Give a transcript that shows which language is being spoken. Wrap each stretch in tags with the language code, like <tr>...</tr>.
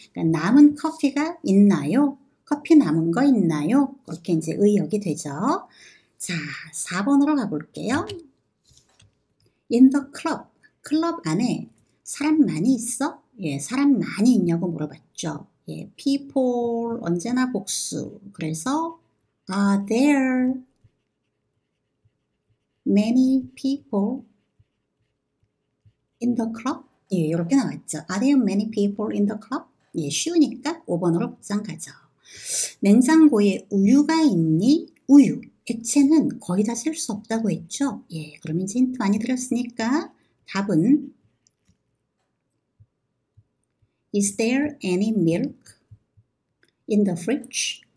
<ko>그러니까 남은 커피가 있나요? 커피 남은 거 있나요? 그렇게 이제 의역이 되죠. 자, 4번으로 가볼게요. In the club. 클럽 안에 사람 많이 있어? 예, 사람 많이 있냐고 물어봤죠. 예, people. 언제나 복수.</ko> <en>그래서 are there many people in the club? 예, 이렇게 나왔죠. Are there many people in the club?</en> <ko>예, 쉬우니까 5번으로 복장 가죠. 냉장고에 우유가 있니? 우유. 액체는 거의 다셀수 없다고 했죠? 예, 그러면 이제 힌트 많이 드렸으니까 답은 Is there any milk in the fridge?</ko>